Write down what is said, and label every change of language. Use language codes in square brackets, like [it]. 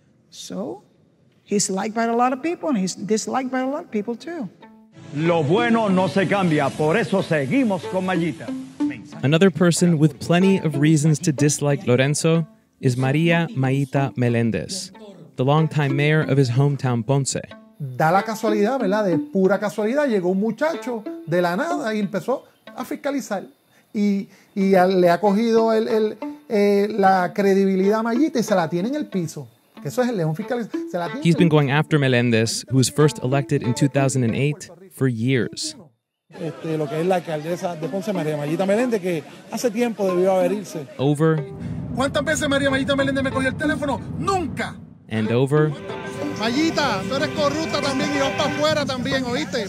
[en] So, he's liked by a lot of people, and he's disliked by a lot of people too. [es] Lo bueno no se cambia, por eso seguimos con Mayita. [en] Another person with plenty of reasons to dislike Lorenzo is María Mayita Meléndez, the longtime mayor of his hometown Ponce. [es] Da la casualidad, ¿verdad? De pura casualidad llegó un muchacho de la nada y empezó a fiscalizar y le ha cogido la credibilidad a Mayita y se la tiene en el piso. Eso es el león fiscalizador. [en] He's been going after Meléndez, who was first elected in 2008, for years. [es] Lo que es la alcaldesa de Ponce, María Mayita Meléndez, que hace tiempo debió haber irse. [en] Over. [es] ¿Cuántas veces María Mayita Meléndez me cogió el teléfono? Nunca. [en] And over. [es] Mayita, tú eres corrupta también y vas para afuera también, ¿oíste?